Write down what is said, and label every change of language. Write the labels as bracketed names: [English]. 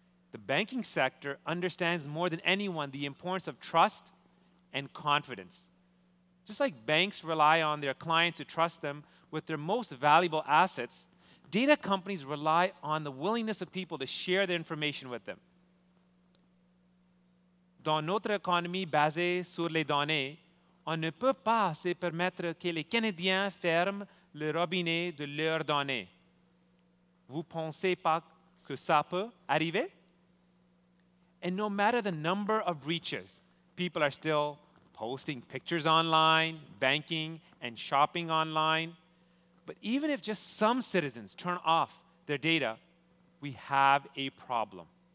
[English] The banking sector understands more than anyone the importance of trust and confidence. Just like banks rely on their clients to trust them with their most valuable assets, data companies rely on the willingness of people to share their information with them. [French] Dans notre économie basée sur les données, on ne peut pas se permettre que les Canadiens ferment le robinet de leurs données. Vous pensez pas que ça peut arriver? [English] And no matter the number of breaches, people are still posting pictures online, banking, and shopping online. But even if just some citizens turn off their data, we have a problem.